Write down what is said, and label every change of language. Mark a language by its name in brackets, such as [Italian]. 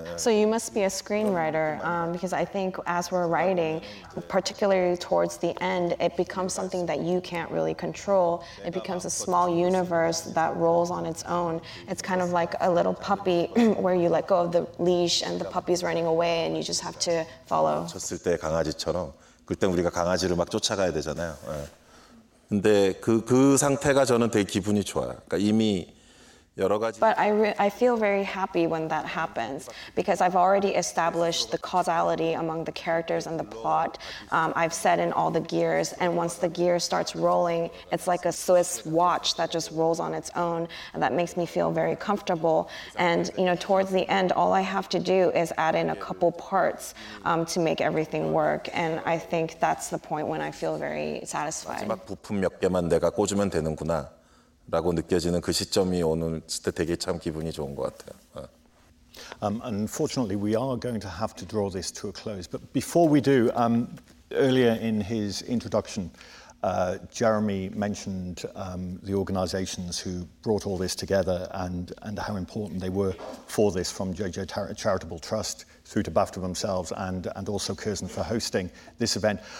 [English] So you must be a screenwriter because I think as we're writing, particularly towards the end, it becomes something that you can't really control. It becomes a small universe that rolls on its own. It's kind of like a little puppy where you let go of the leash and the puppy's running away and you just have to follow. [Korean] 쳤을 때 강아지처럼 그때 우리가 강아지를 막 쫓아가야 되잖아요. 근데 그 상태가 저는 되게 기분이 좋아요. 그러니까 이미 [English] But I feel very happy when that happens because I've already established the causality among the characters and the plot. I've set in all the gears, and once the gear starts rolling, it's like a Swiss watch that just rolls on its own, and that makes me feel very comfortable. And you know, towards the end, all I have to do is add in a couple parts to make everything work, and I think that's the point when I feel very satisfied. [Korean] 마지막 부품 몇 개만 내가 꽂으면 되는구나. 라고 느껴지는 그 시점이 오는 때 되게 참 기분이 좋은 것 같아요. [English] Unfortunately, we are going to have to draw this to a close. But before we do, earlier in his introduction, Jeremy mentioned the organizations who brought all this together and how important they were for this, from JJ Charitable Trust through to BAFTA themselves and also Curzon for hosting this event.